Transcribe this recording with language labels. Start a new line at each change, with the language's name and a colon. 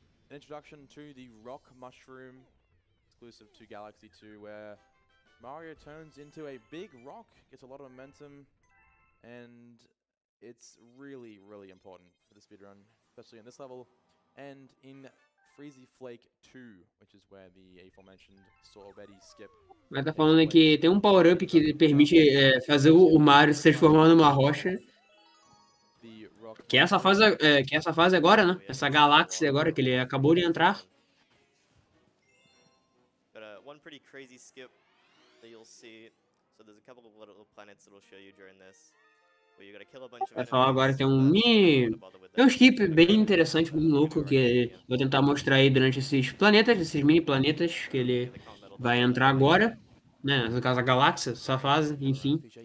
English: Introduction to the Rock Mushroom, exclusive to Galaxy 2, where Mario turns into a big rock, gets a lot of momentum, and it's really, really important for the speedrun, especially in this level, and in Freezy Flake 2, which is where the aforementioned Sorbetti skip.
Portuguese: Mas tá falando que tem um power-up que permite fazer o Mario se transformar numa rocha. Que é essa fase agora, né? Essa galáxia agora que ele acabou de entrar.
English: But one pretty crazy skip that you'll see. So there's a couple of little planets that will show you during this.
Portuguese: Vai falar agora que tem um skip bem interessante, bem louco, que eu vou tentar mostrar aí durante esses mini planetas que ele vai entrar agora, né, no caso a galáxia, essa fase, enfim.